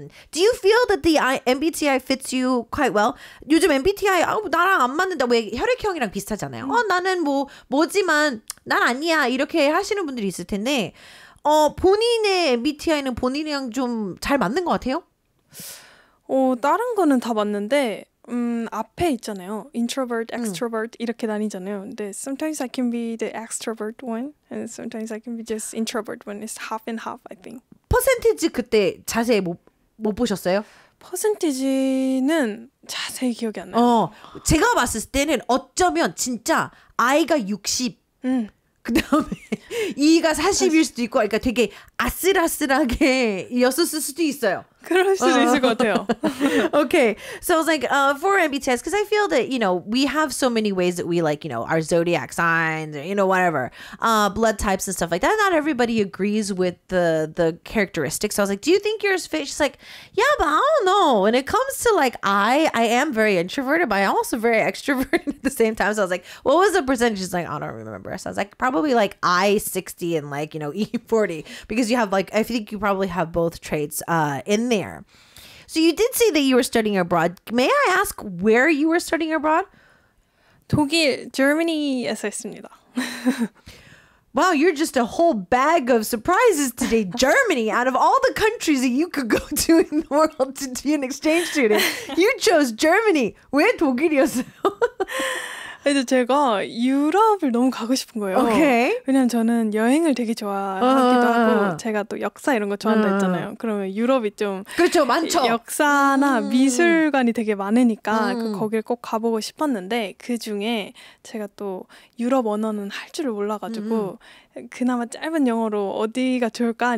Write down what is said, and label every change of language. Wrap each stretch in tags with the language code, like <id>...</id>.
<en>Do you feel that the MBTI fits you quite well?</en> <ko>요즘 MBTI 나랑 안 맞는다. 왜 혈액형이랑 비슷하잖아요. 나는 뭐지만 난 아니야. 이렇게 하시는 분들이 있을 텐데 본인의 MBTI는 본인이랑 좀 잘 맞는 것 같아요? 다른 거는 다 맞는데 앞에 있잖아요.</ko> <en>Introvert, extrovert</en> <ko>이렇게 다니잖아요.</ko> <en>And sometimes I can be the extrovert one and sometimes I can be just introvert one. It's half and half, I think.</en> <ko>퍼센티지 그때 자세히 못 보셨어요? 퍼센티지는 자세히 기억이 안 나요. 제가 봤을 때는 어쩌면 진짜 아이가 60 그다음에 E가 40일 수도 있고 그러니까 되게 아슬아슬하게 이었을 수도 있어요. 그럴 수도 있을 것 같아요.</ko> <en>Okay, so I was like, for MBTIs, because I feel that, you know, we have so many ways that we like, you know, our zodiac signs, or, you know, whatever, blood types and stuff like that. Not everybody agrees with the characteristics. So I was like, do you think yours fits? She's like, yeah, but I don't know. When it comes to, like, I am very introverted, but I'm also very extroverted at the same time. So I was like, what was the percentage? She's like, I don't remember. So I was like, probably, like, I-60 and, like, you know, E-40, because you have, like, I think you probably have both traits in there. So you did say that you were studying abroad. May I ask where you were studying abroad?</en> <ko>독일, Germany에서 했습니다.</ko> <en>Wow, you're just a whole bag of surprises today. Germany, out of all the countries that you could go to in the world to be an exchange student, you chose Germany.</en> <ko>왜 독일이었어요? 이제 제가 유럽을 너무 가고 싶은 거예요.</ko> <en>Okay.</en> <ko>왜냐면 저는 여행을 되게 좋아하기도 하고 제가 또 역사 이런 거 좋아한다 했잖아요. 그러면 유럽이 좀 그렇죠, 많죠. 역사나 미술관이 되게 많으니까 거기를 꼭 가보고 싶었는데 그중에 제가 또 유럽 언어는 할 줄을 몰라가지고 그나마 짧은 영어로 어디가 좋을까?</ko>